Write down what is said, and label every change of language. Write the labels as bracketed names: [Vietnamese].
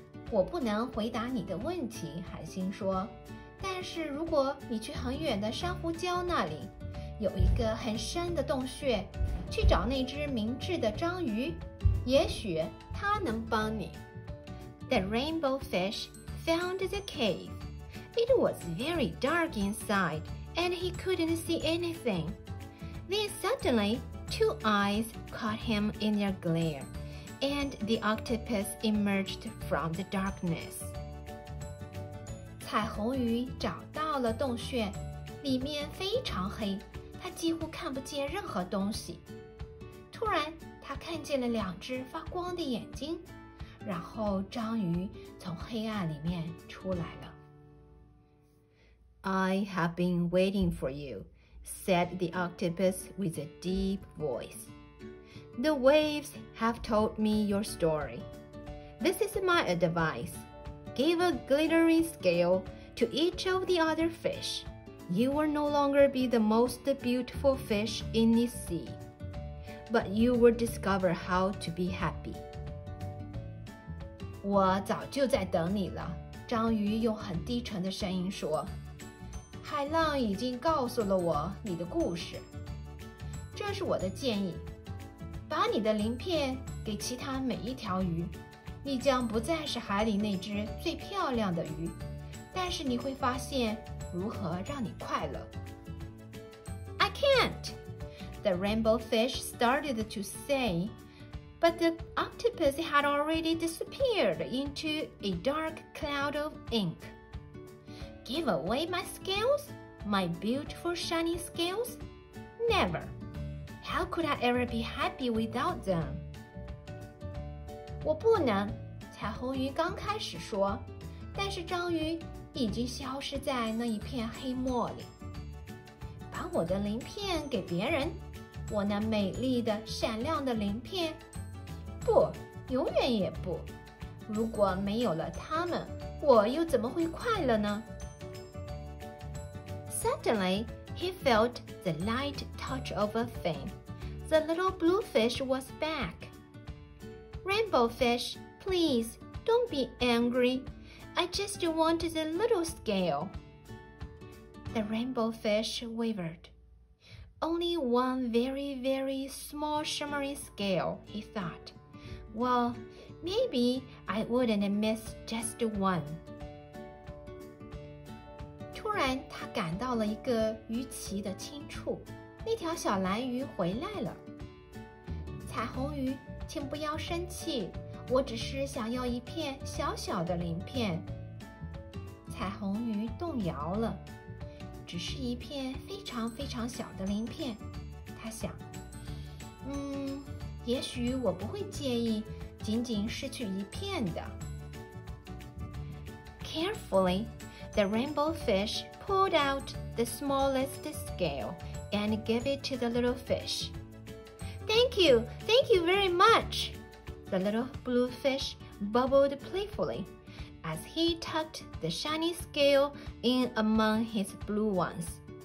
[Chinese] 我不能回答你的问题，海星说。但是如果你去很远的珊瑚礁那里，有一个很深的洞穴，去找那只明智的章鱼，也许它能帮你。 [English] The rainbow fish found the cave. It was very dark inside, and he couldn't see anything. Then suddenly,Two eyes caught him in their glare, and the octopus emerged from the darkness. [Chinese] 彩虹鱼找到了洞穴，里面非常黑，它几乎看不见任何东西。突然，它看见了两只发光的眼睛，然后章鱼从黑暗里面出来了。 [English] I have been waiting for you, said the octopus with a deep voice. The waves have told me your story. This is my advice. Give a glittery scale to each of the other fish. You will no longer be the most beautiful fish in the sea, but you will discover how to be happy. [Chinese] 我早就在等你了,章鱼用很低沉的声音说。海浪已经告诉了我你的故事。这是我的建议，把你的鳞片给其他每一条鱼，你将不再是海里那只最漂亮的鱼，但是你会发现如何让你快乐。 [English] I can't, the rainbow fish started to say, but the octopus had already disappeared into a dark cloud of ink. Give away my scales? My beautiful shiny scales? Never! How could I ever be happy without them? [Chinese] 我不能，彩虹鱼刚开始说，但是章鱼已经消失在那一片黑墨里。把我的鳞片给别人，我那美丽的闪亮的鳞片，不，永远也不。如果没有了它们，我又怎么会快乐呢？ [English] Suddenly, he felt the light touch of a fin. The little blue fish was back. Rainbow fish, please, don't be angry. I just want the little scale. The rainbow fish wavered. Only one very, very small shimmery scale, he thought. Well, maybe I wouldn't miss just one. [Chinese] 突然他感到了一个鱼鳍的轻触，那条小蓝鱼回来了。彩虹鱼，请不要生气，我只是想要一片小小的鳞片。彩虹鱼动摇了，只是一片非常非常小的鳞片，他想，也许我不会介意仅仅失去一片的。 [English] Carefully,The rainbow fish pulled out the smallest scale and gave it to the little fish. Thank you very much! The little blue fish bubbled playfully as he tucked the shiny scale in among his blue ones.